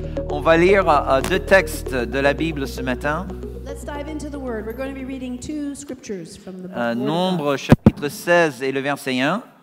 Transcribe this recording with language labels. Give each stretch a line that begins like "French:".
French: On va lire deux textes de la Bible ce matin.
English: Let's dive into the word. We're going to be reading two scriptures from the book.
French: Nombre chapitre 16 et le verset 1.